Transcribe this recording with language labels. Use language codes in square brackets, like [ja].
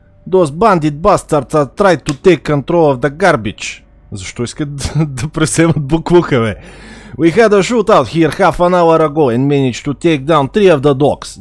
[en] Those bandit bastards are trying to take control of the garbage. [bg] Защо искат да преземат буклука, бе? [en] We had a shootout here half an hour ago and managed to take down three of the dogs.